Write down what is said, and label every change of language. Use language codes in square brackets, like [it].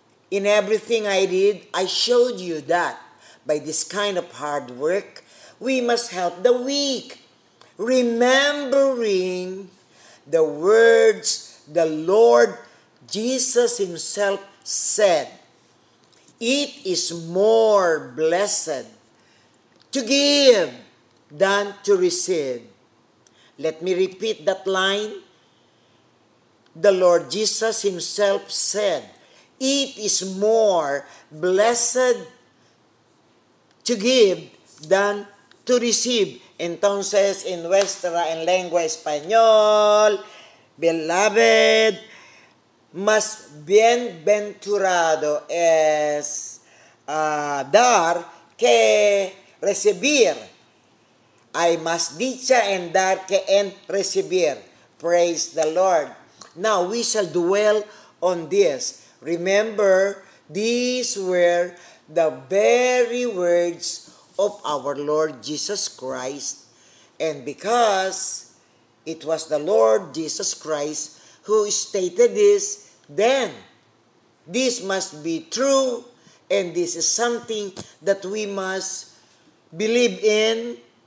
[en] In everything I did, I showed you that by this kind of hard work, we must help the weak, remembering the words the Lord Jesus Himself said, "It is more blessed to give than to receive." Let me repeat that line. The Lord Jesus Himself said, "It is more blessed to give than to receive." [es] Entonces, en nuestra en lengua español, beloved, más bienventurado es dar que recibir. Hay más dicha en dar que en recibir. [en] Praise the Lord. Now we shall dwell on this. Remember, these were the very words of our Lord Jesus Christ. And because it was the Lord Jesus Christ who stated this, then this must be true, and this is something that we must believe in.